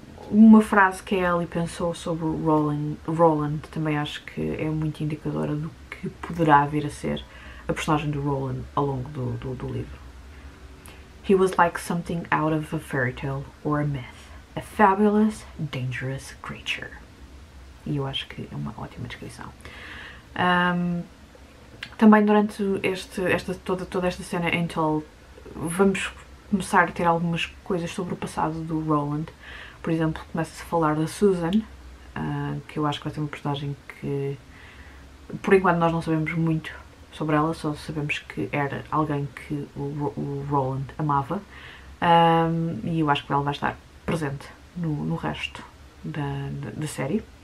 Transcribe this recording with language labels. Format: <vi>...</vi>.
<pt>Uma frase que a Ellie pensou sobre o Roland também acho que é muito indicadora do que poderá vir a ser a personagem do Roland ao longo do livro.</pt> <en>He was like something out of a fairy tale or a myth. A fabulous, dangerous creature.</en> <pt>E eu acho que é uma ótima descrição. Também durante toda esta cena em Tull, vamos começar a ter algumas coisas sobre o passado do Roland. Por exemplo, começa-se a falar da Susan, que eu acho que vai ser uma personagem que, por enquanto, nós não sabemos muito sobre ela, só sabemos que era alguém que o Roland amava, e eu acho que ela vai estar presente no resto da série.</pt>